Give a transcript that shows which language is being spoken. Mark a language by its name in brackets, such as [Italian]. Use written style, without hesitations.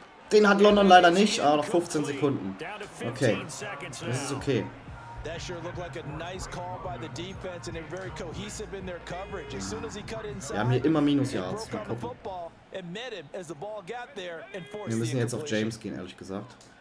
[German] Den hat London leider nicht, aber noch 15 Sekunden. Okay, das ist okay. [English] That sure looked like a nice call by the defense, and they're very cohesive in their coverage. As soon as he cut inside, [German] wir haben hier immer minus Yards. Mal gucken. Wir müssen jetzt auf James gehen, ehrlich gesagt.